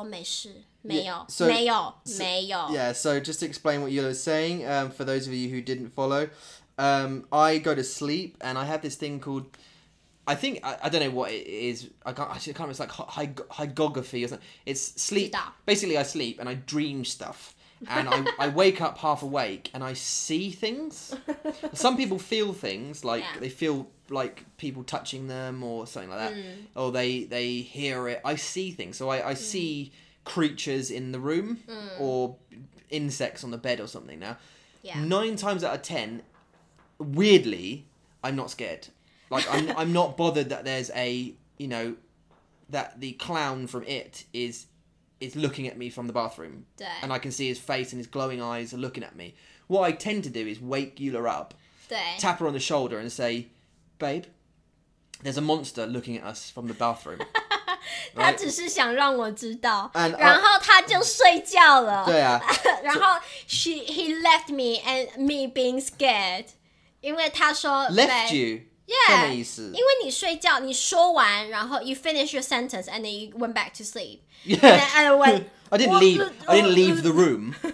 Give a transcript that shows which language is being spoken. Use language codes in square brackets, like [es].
[zh] 有一个东西在我们房间，然后每次就是会让我很害怕。然后我就会把他的手放下来说没事，没有，没有，没有。 [en] Yeah, so just to explain what Yula is saying, for those of you who didn't follow, I go to sleep and I have this thing called, I think, I don't know what it is, I can't remember, it's like hygography or something. It's sleep, basically I sleep and I dream stuff. And I wake up half awake and I see things. Some people feel things, like they feel like people touching them or something like that. Mm. Or they hear it. I see things. So I see creatures in the room or insects on the bed or something. Now, 9 times out of 10, weirdly, I'm not scared. Like, I'm not bothered that there's a, you know, that the clown from It is looking at me from the bathroom. And I can see his face and his glowing eyes are looking at me. What I tend to do is wake Eula up, tap her on the shoulder and say, babe, there's a monster looking at us from the bathroom. [zh] 他只是想让我知道，然后他就睡觉了。对啊。 [en] 然后 he left me and me being scared. [zh] 因为他说, [en] left babe, you? Yeah, 因为你睡觉，你说完, 然后 you finish your sentence and then you went back to sleep. Yeah, and I didn't leave the room.